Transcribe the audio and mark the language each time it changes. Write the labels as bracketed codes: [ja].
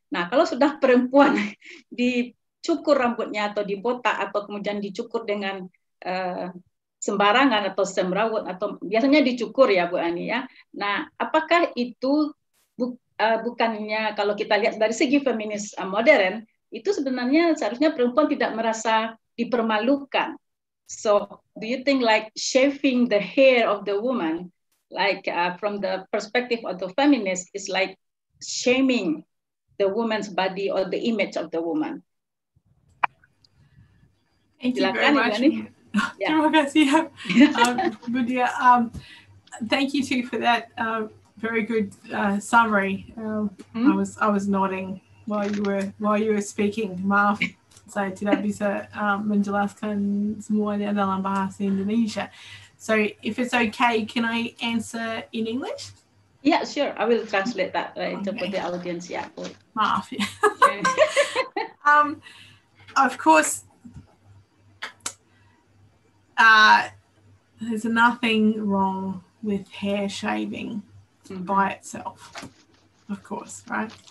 [id] Nah, kalau sudah perempuan dicukur rambutnya atau dibotak atau kemudian dicukur dengan sembarangan atau semrawut atau biasanya dicukur ya Bu Ani ya. Nah, apakah itu bukannya kalau kita lihat dari segi feminis modern itu sebenarnya seharusnya perempuan tidak merasa dipermalukan. [en] So, do you think like shaving the hair of the woman like from the perspective of the feminist is like shaming the woman's body or the image of the woman? [id] Silakan, Bu Ani. Yeah. Terima kasih, Budia. [en] Thank you too for that very good summary. I was nodding while you were speaking. [id] Maaf, saya tidak bisa menjelaskan semuanya dalam bahasa Indonesia. [en] So, if it's okay, can I answer in English? Yeah, sure. I will translate that into the audience. Yeah, [id] maaf. [en] Of course. There's nothing wrong with hair shaving by itself, of course, right?